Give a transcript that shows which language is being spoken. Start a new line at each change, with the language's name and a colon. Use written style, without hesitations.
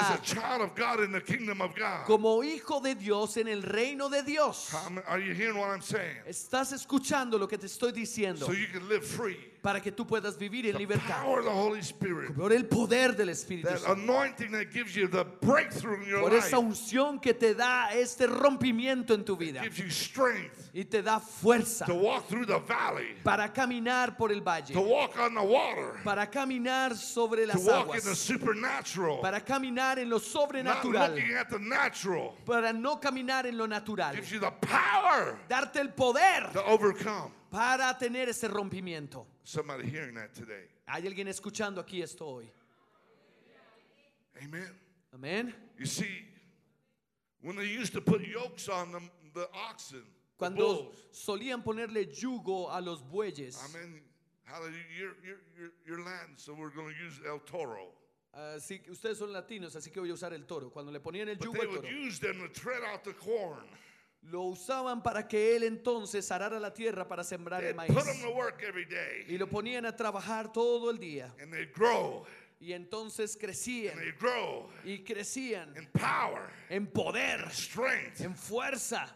English: As a child of God in the kingdom of God.
Spanish: Como hijo de Dios en el reino de Dios.
English: Are you hearing what I'm saying?
Spanish: ¿Estás escuchando lo que te estoy diciendo?
English: So you can live free.
Spanish: Para que tú puedas vivir en libertad.
English: Power of the Holy Spirit.
Spanish: Por el poder del Espíritu Santo.
English: That anointing that gives you the breakthrough in your life.
Spanish: Por esa unción que te da este rompimiento en tu vida.
English: It gives you strength.
Spanish: Y te da fuerza.
English: To walk through the valley.
Spanish: Para caminar por el valle.
English: To walk on the water.
Spanish: Para caminar sobre las aguas.
English: To walk in the supernatural.
Spanish: Para caminar en lo sobrenatural.
English: Not looking at the natural.
Spanish: Para no caminar en lo natural.
English: It gives you the power.
Spanish: Darte el poder.
English: To overcome.
Spanish: Para tener ese rompimiento.
English: Somebody hearing that today.
Spanish: Hay alguien escuchando aquí esto hoy. Amen. Amen.
English: You see, when they used to put yokes on the oxen,
Spanish: cuando
English: the bulls,
Spanish: solían ponerle yugo a los bueyes. Amen. Hallelujah.
English: You're Latin, so we're going to use el toro.
Spanish: Sí, ustedes son latinos, así que voy a usar el toro. Cuando le ponían el yugo al toro.
English: But they would use them to tread out the corn.
Spanish: Lo usaban para que él entonces arara la tierra para sembrar el maíz.
English: They'd put them to work every day.
Spanish: Y lo ponían a trabajar todo el día.
English: And they'd grow.
Spanish: Y entonces crecían.
English: And they'd grow.
Spanish: Y crecían.
English: In power.
Spanish: En poder.
English: In strength.
Spanish: En fuerza.